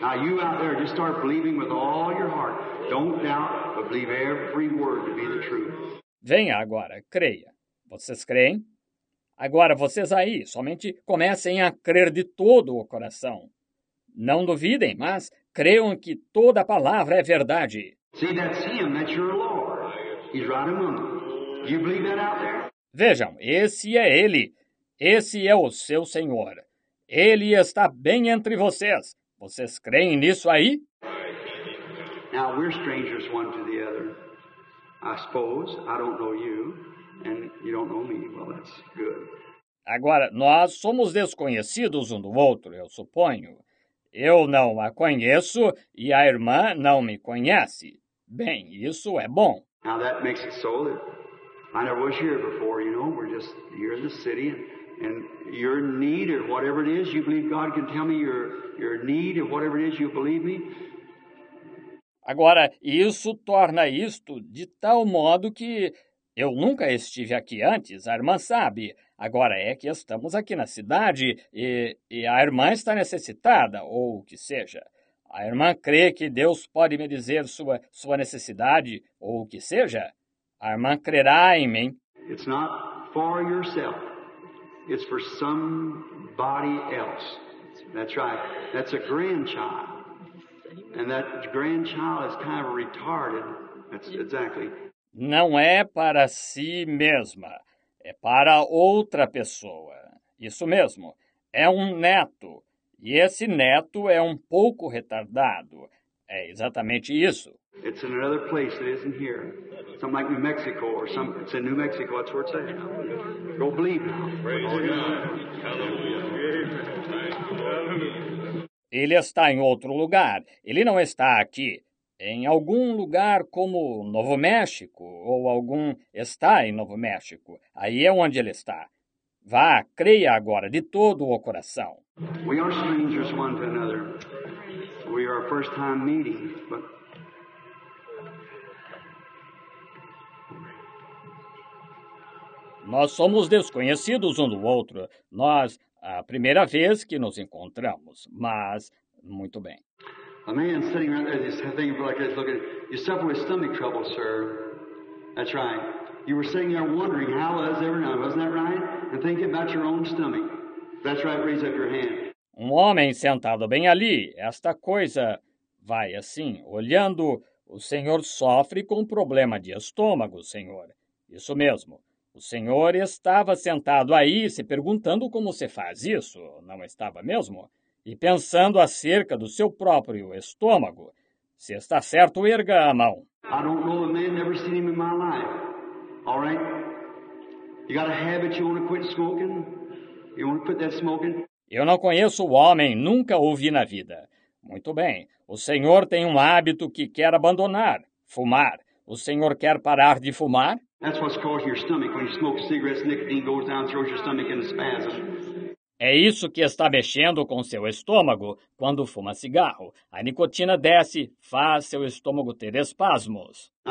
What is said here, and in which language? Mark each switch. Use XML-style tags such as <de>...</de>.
<en>Now, you out there, just start believing with all your heart. Don't doubt, but believe every word to be the truth.</en> <pt>Venha agora, creia. Vocês creem? Agora, vocês aí, somente comecem a crer de todo o coração. Não duvidem, mas creiam que toda palavra é verdade.</pt> <en>See, that's him, that's your Lord. He's right among them. Do you believe that out there?</en> <pt>Vejam, esse é ele. Esse é o seu Senhor. Ele está bem entre vocês. Vocês creem nisso aí?</pt> <en>Now, we're strangers one to the other. I suppose I don't know you. And you don't know me. Well, that's good.</en> <pt>Agora, nós somos desconhecidos do outro, eu suponho. Eu não a conheço e a irmã não me conhece. Bem, isso é bom.</pt> <en>Now that makes it so that I never was here before, you know. We're just here in the city and your need or whatever it is, you believe God can tell me your need or whatever it is, you believe me?</en> <pt>Agora, isso torna isto de tal modo que... Eu nunca estive aqui antes, a irmã sabe. Agora é que estamos aqui na cidade e a irmã está necessitada, ou o que seja. A irmã crê que Deus pode me dizer sua necessidade, ou o que seja. A irmã crerá em mim.</pt> <en>It's not for yourself. It's for somebody else. That's right. That's a grandchild. And that grandchild is kind of retarded. That's exactly...</en> <pt>Não é para si mesma, é para outra pessoa. Isso mesmo, é um neto, e esse neto é um pouco retardado. É exatamente isso.</pt> <en>It's in another place that isn't here. Something like New Mexico, or some. It's in New Mexico, that's where it's at. Go believe now. Praise God. Hallelujah.</en> <pt>Ele está em outro lugar, ele não está aqui. Em algum lugar como Novo México, ou algum está em Novo México. Aí é onde ele está. Vá, creia agora de todo o coração.</pt> <en>We are strangers one to another. We are first time meeting, but...</en> <pt>Nós somos desconhecidos do outro. Nós, a primeira vez que nos encontramos, mas muito bem.</pt> <en>A man sitting right there, just thinking like this, looking. You suffer with stomach trouble, sir. That's right. You were sitting there wondering how was everyone, wasn't that right? And thinking about your own stomach. That's right. Raise up your hand.</en> <pt>Um homem sentado bem ali. Esta coisa vai assim, olhando. O senhor sofre com um problema de estômago, senhor. Isso mesmo. O senhor estava sentado aí, se perguntando como se faz isso. Não estava mesmo? E pensando acerca do seu próprio estômago. Se está certo, erga a mão.</pt> <en>I don't know a man, never seen him in my life. All right? You got a habit, you want to quit smoking? You want to quit that smoking?</en> <pt>Eu não conheço o homem, nunca o vi na vida. Muito bem, o senhor tem hábito que quer abandonar, fumar. O senhor quer parar de fumar?</pt> <en>That's what's causing your stomach. When you smoke cigarettes, nicotine goes down and throws your stomach in a spasm.</en> <pt>É isso que está mexendo com seu estômago quando fuma cigarro. A nicotina desce, faz seu estômago ter espasmos.</pt>